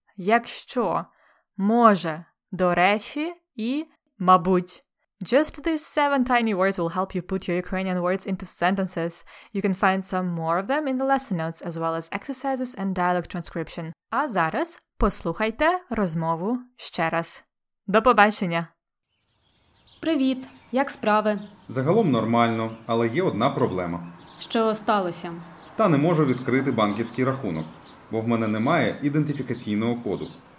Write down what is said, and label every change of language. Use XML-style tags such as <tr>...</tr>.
<uk>Якщо, може, до речі, і мабуть.</uk> <en>Just these 7 tiny words will help you put your Ukrainian words into sentences. You can find some more of them in the lesson notes, as well as exercises and dialogue transcription.</en> <uk>А зараз послухайте розмову ще раз. До побачення! Привіт, як справи? Загалом нормально, але є одна проблема. Що сталося? Та не можу відкрити банківський рахунок, бо в мене немає ідентифікаційного коду.</uk>